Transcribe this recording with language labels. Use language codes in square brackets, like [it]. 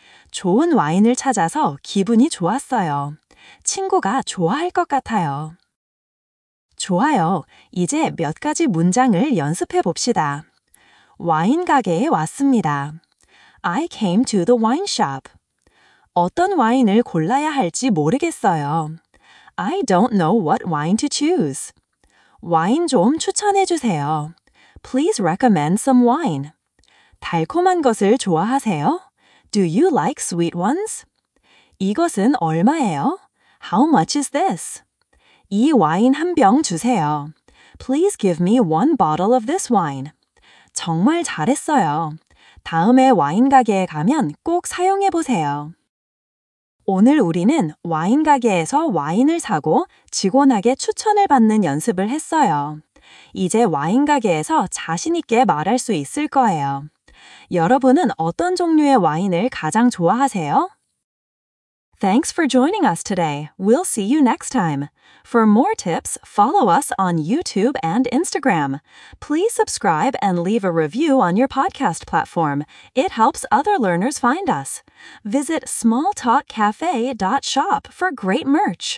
[ko] 좋은 와인을 찾아서 기분이 좋았어요. 친구가 좋아할 것 같아요. 좋아요. 이제 몇 가지 문장을 연습해 봅시다. 와인 가게에 왔습니다. [en] I came to the wine shop. [ko] 어떤 와인을 골라야 할지 모르겠어요. [en] I don't know what wine to choose. [ko] 와인 좀 추천해 주세요. [en] Please recommend some wine. [ko] 달콤한 것을 좋아하세요? [en] Do you like sweet ones? [ko] 이것은 얼마예요? [en] How much is this? [ko] 이 와인 한 병 주세요. [en] Please give me one bottle of this wine. [ko] 정말 잘했어요. 다음에 와인 가게에 가면 꼭 사용해 보세요. 오늘 우리는 와인 가게에서 와인을 사고 직원에게 추천을 받는 연습을 했어요. 이제 와인 가게에서 자신 있게 말할 수 있을 거예요. 여러분은 어떤 종류의 와인을 가장 좋아하세요? [en] Thanks for joining us today. We'll see you next time. For more tips, follow us on YouTube and Instagram. Please subscribe and leave a review on your podcast platform. It helps other learners find us. Visit smalltalkcafe.shop for great merch.